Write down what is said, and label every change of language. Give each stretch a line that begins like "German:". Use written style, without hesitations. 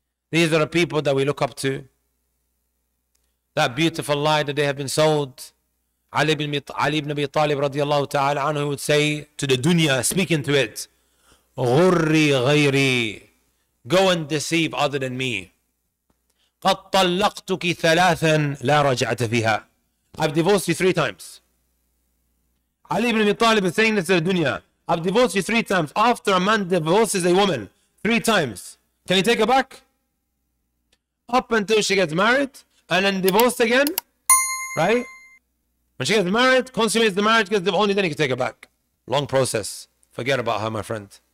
English: These are the people that we look up to. That beautiful lie that they have been sold. Ali ibn Abi Talib radiallahu ta'ala anhu would say to the dunya, speaking to it,
Arabic: غُرِّي غَيْرِي,
English: go and deceive other than me.
Arabic: قَدْ طَلَّقْتُكِ ثَلَاثًا لَا رَجَعْتَ فِيهَا,
English: I've divorced you 3 times. Ali ibn Abi Talib is saying this to the dunya. I've divorced you 3 times. After a man divorces a woman 3 times, can you take her back? Up until she gets married and then divorced again, right? When she gets married, consummates the marriage, gets divorced, only then he can take her back. Long process. Forget about her, my friend.